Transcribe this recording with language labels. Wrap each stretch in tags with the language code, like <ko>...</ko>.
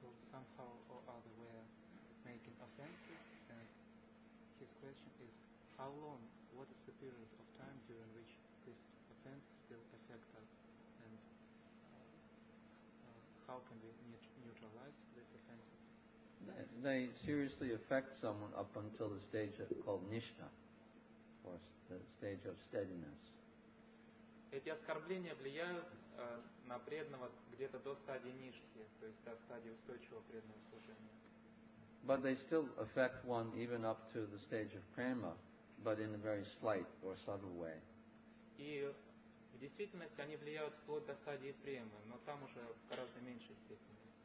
<en>Somehow or other we are making offenses, and his question is, how long, what is the period of time during which this offense still affects us, and how can we neutralize this offense? They seriously affect someone up until the stage called nishtha, or the stage of steadiness.</en> <ru>Эти оскорбления влияют на преданного где-то до стадии ништхи, то есть до стадии устойчивого преданного служения.</ru> <en>But they still affect one even up to the stage of prema, but in a very slight or subtle way.</en> <ru>И в действительности они влияют вплоть до стадии премы, но там уже в гораздо меньшей степени.</ru>